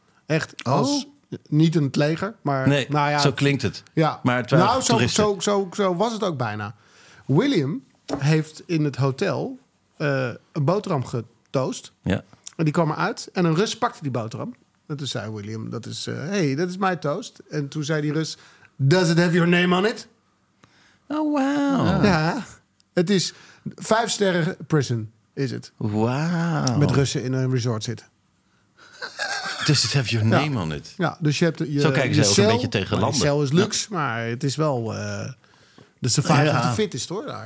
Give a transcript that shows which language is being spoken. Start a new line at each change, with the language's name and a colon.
Dutch: Echt als niet in het leger, maar nee, nou ja, zo klinkt het. Ja, maar het waren toeristen. Zo was het ook bijna. William heeft in het hotel een boterham getoast. Ja. En die kwam eruit en een Rus pakte die boterham. En toen zei William, dat is dat is mijn toast. En toen zei die Rus,
English: does it have your name on it? Oh wow.
Dutch: Ja. Het is 5 sterren prison, is het. Wauw. Met Russen in een resort zitten. Dus het heeft
English: your name on it.
Dutch: Ja, dus je hebt je cel. Zo kijken ze ook een beetje tegen landen. De cel is luxe, maar het is wel... De survival of the fittest, hoor. Daar.